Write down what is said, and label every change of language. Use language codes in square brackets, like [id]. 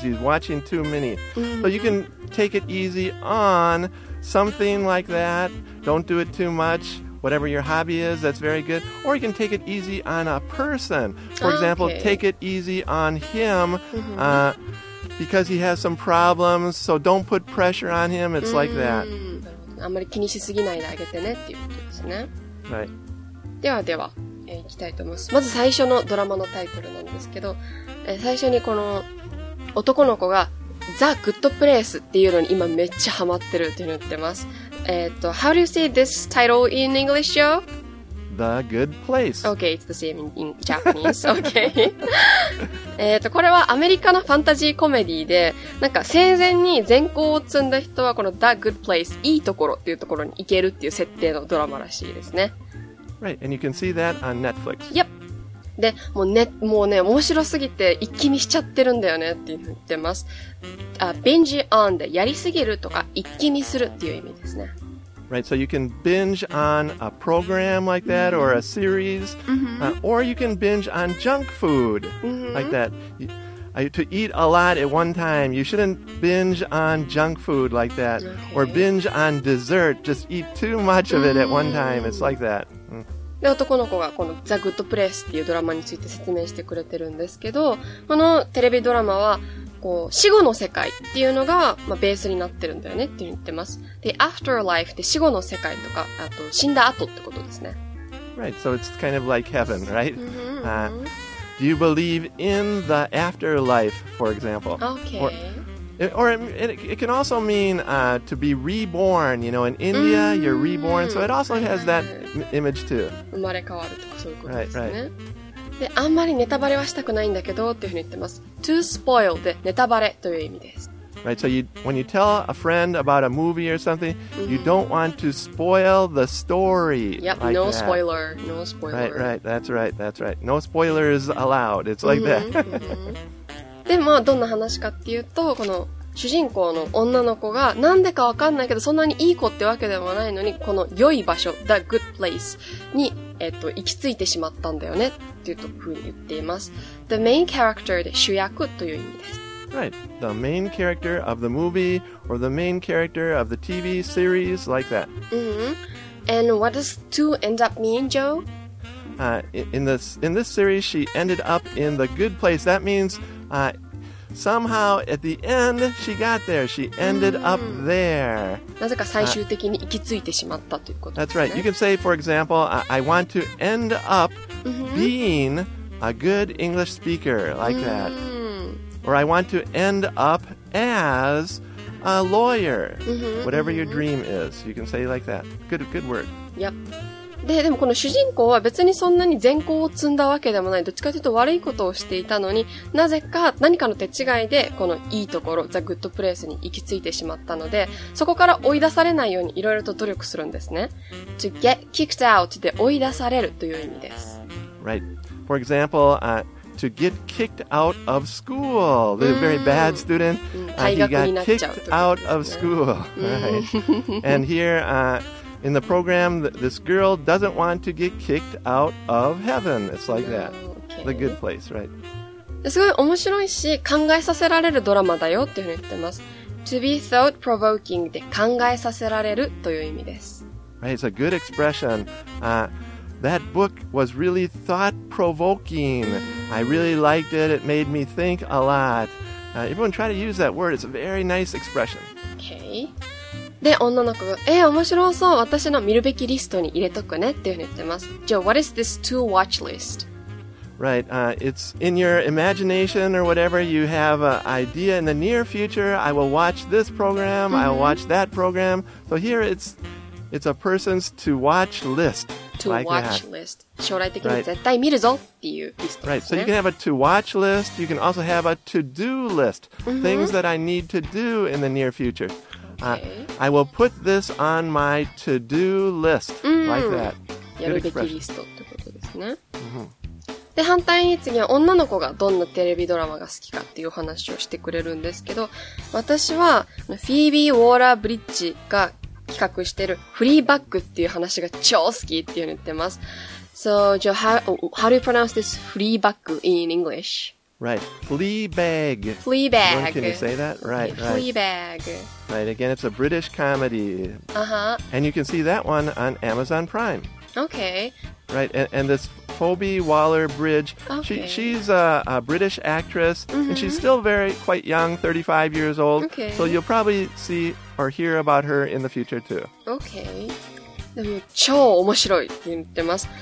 [en] He's watching too many. So you can take it easy on something like that. Don't do it too much. Whatever your hobby is, that's very good. Or you can take it easy on a person. For example, okay. Take it easy on him because he has some problems. So don't put pressure on him. It's like that. [ja] あんまり気にしすぎないであげてねっていうことですね。 [en] Right. [ja] ではでは。行きたいと思います。まず最初のドラマのタイトルなんですけど、最初にこの男の子がザ・グッドプレイスっていうのに今めっちゃハマってるって言ってます。 [en] How do you say this title in English, Joe? The Good Place. Okay, it's the same in Japanese. Okay. [ja] これはアメリカのファンタジーコメディで、なんか生前に善行を積んだ人はこの The Good Place、いいところっていうところに行けるっていう設定のドラマらしいですね。 [en] Right, and you can see that on Netflix. Yep. [ja] で、もうね、もうね、面白すぎて一気見しちゃってるんだよねって言ってます。 [en] Binge on [ja] でやりすぎるとか一気見するっていう意味ですね。 [en] Right, so you can binge on a program like that or a series, or you can binge on junk food like that. To eat a lot at one time, you shouldn't binge on junk food like that, or binge on dessert. Just eat too much of it at one time. It's like that. [ja] で男の子がこのザ・グッド・プレイスっていうドラマについて説明してくれてるんですけど、このテレビドラマはこう死後の世界っていうのが、まあ、ベースになってるんだよねって言ってます。で、afterlife って死後の世界とか、あと死んだ後ってことですね。 [en] Right, so it's kind of like heaven, right? Do you believe in the afterlife, for example? Okay. Or it can also mean to be reborn. You know, in India, you're reborn. So it also has that image too. [ja] 生まれ変わるとかそういうことですね。 [en] Right, right. [ja] で、あんまりネタバレはしたくないんだけどっていうふうに言ってます。 [en] To spoil [ja] でネタバレという意味です。 [en] Right, so when you tell a friend about a movie or something, you don't want to spoil the story. Yep, like no that. Spoiler. No spoiler. Right, right, that's right, that's right. No spoilers allowed. It's like that. [ja] で、まあ、どんな話かっていうと、この主人公の女の子が、なんでかわかんないけど、そんなにいい子ってわけでもないのに、この良い場所、The Good Place に、行き着いてしまったんだよね、っていうふうに言っています。 [en] The main character [ja] で主役という意味です。 [en] Right. The main character of the movie or the main character of the TV series, like that. And what does 2 end up mean, Joe? In this series, she ended up in the good place. That means somehow at the end, she got there. She ended up there. [ja] なぜか最終的に行き着いてしまったということですね。 [en] That's right. You can say, for example, I want to end up being a good English speaker like that. Or I want to end up as a lawyer. Whatever your dream is, you can say like that. Good word. Yep. [ja] でもこの主人公は別にそんなに善行を積んだわけでもない。どっちかというと悪いことをしていたのに、なぜか何かの手違いで、このいいところ、ザ・グッド・プレイスに行き着いてしまったので、そこから追い出されないようにいろいろと努力するんですね。 [en] To get kicked out [ja] で追い出されるという意味です。 [en] Right. For example, to get kicked out of school. The very bad student. He got kicked out of school. Right. And here, In the program, this girl doesn't want to get kicked out of heaven. It's like that. Okay. The good place, right? [ja] すごい面白いし、考えさせられるドラマだよっていうふうに言ってます。 [en] To be thought-provoking [ja] で考えさせられるという意味です。 [en] Right, it's a good expression. That book was really thought-provoking. I really liked it. It made me think a lot. Everyone try to use that word. It's a very nice expression. Okay. [ja] で、女の子が、面白そう、私の見るべきリストに入れとくねっていうふうに言ってます。じゃあ、 [en] What is this to watch list? Right, it's in your imagination or whatever, you have an idea in the near future, I will watch this program, I'll watch that program. So here it's a person's to watch list. To watch list. [ja] 将来的に絶対見るぞっていうリストですね。 [en] Right, so you can have a to watch list, you can also have a to do list. Things that I need to do in the near future. I will put this on my to-do list, like that. [ja] やるべきリストってことですね。で、反対に次は女の子がどんなテレビドラマが好きかっていう話をしてくれるんですけど、私はフィービー・ウォーラー・ブリッジが企画してるフリーバッグっていう話が超好きっていうのを言ってます。 [en] So, Joe, how do you pronounce this free bag in English? Right. Flea bag. Flea bag. Can you say that? Right, flea right. Flea bag. Right, again, it's a British comedy. Uh-huh. And you can see that one on Amazon Prime. Okay. Right, and this Phoebe Waller-Bridge, okay. She's a British actress, and she's still very, quite young, 35 years old. Okay. So you'll probably see or hear about her in the future, too. Okay. [ja] でも超面白いって言ってます。